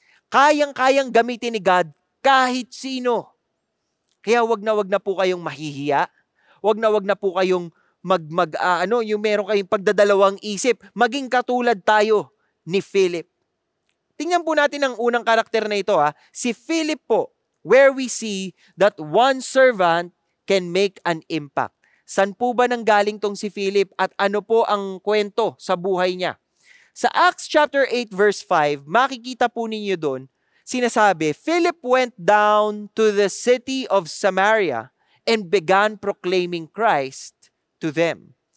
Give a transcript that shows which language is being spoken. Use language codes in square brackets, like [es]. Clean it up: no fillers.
[tl] Kayang-kayang gamitin ni God kahit sino. Kaya wag na po kayong mahihiya, wag na po kayong mag-ano, yung meron kayong pagdadalawang isip, maging katulad tayo ni Philip. Tingnan po natin ang unang karakter na ito, ha. Si Philip po, [en] where we see that one servant can make an impact. [tl] San po ba nang galing tong si Philip at ano po ang kwento sa buhay niya? Sa Acts chapter 8 verse 5, makikita po ninyo doon, sinasabi, [en] Philip went down to the city of Samaria and began proclaiming Christ to them.